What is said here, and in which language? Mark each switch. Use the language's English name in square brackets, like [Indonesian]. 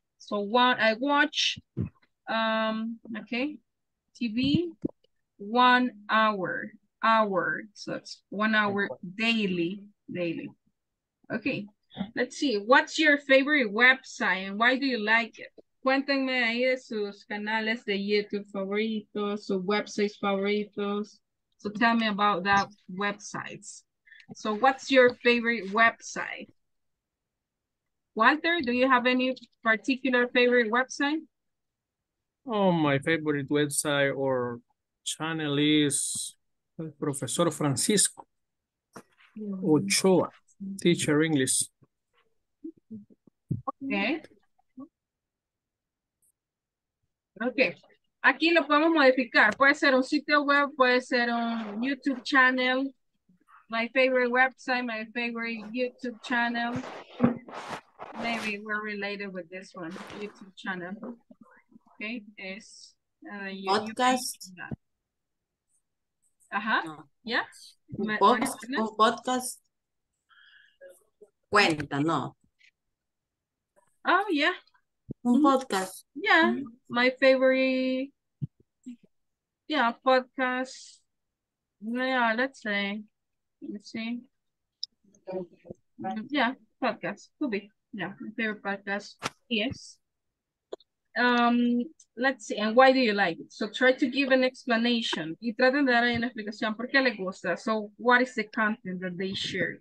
[English] So what I watch, okay, TV, 1 hour. So it's 1 hour daily. Okay, let's see, what's your favorite website and why do you like it? [Spanish] Cuéntenme ahí de sus canales de YouTube favoritos, sus websites favoritos. [English] So tell me about that websites. So what's your favorite website? Walter, do you have any particular favorite website? Oh, my favorite website or channel is Professor Francisco Ochoa, Teacher English. Okay. [Spanish] Ok, aquí lo podemos modificar. Puede ser un sitio web, puede ser un YouTube channel. [English] My favorite website, my favorite YouTube channel. Maybe we're related with this one, YouTube channel. [Spanish] Ok, es [English] podcast. Ajá, yeah. [Spanish] Podcast. Cuenta, no. [English] Oh, yeah. podcast. Yeah, my favorite. Yeah, podcast. Yeah, let's say. Let's see. Yeah, podcast. Could be. Yeah, my favorite podcast. Yes. Let's see, and why do you like it? So try to give an explanation. [Spanish] Y traten de dar ahí una explicación por qué le gusta. [English] So what is the content that they share?